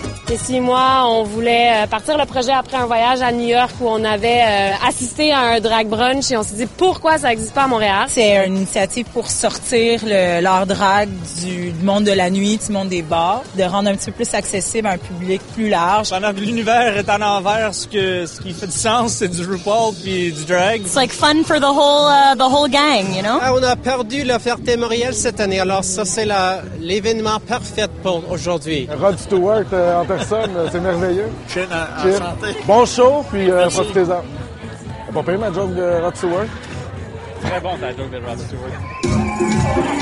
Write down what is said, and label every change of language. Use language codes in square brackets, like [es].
[fr] Et si moi, on voulait partir le projet après un voyage à New York où on avait assisté à un drag brunch et on s'est dit pourquoi ça n'existe pas à Montréal? C'est une initiative pour sortir l'art drag du monde de la nuit, du monde des bars, de rendre un petit peu plus accessible à un public plus large. Pendant que l'univers est à l'envers, ce qui fait du sens, c'est du RuPaul puis du drag. [en] It's like fun for the whole gang, you know? [fr] Ah, on a perdu la Fierté Montréal cette année, alors ça, c'est l'événement parfait pour aujourd'hui. Rod Stewart, en personne, c'est merveilleux. Chine. Santé. Bon show, puis profitez-en. T'as pas payé ma joke de Rod Stewart? Très bon, ta joke de Rod Stewart.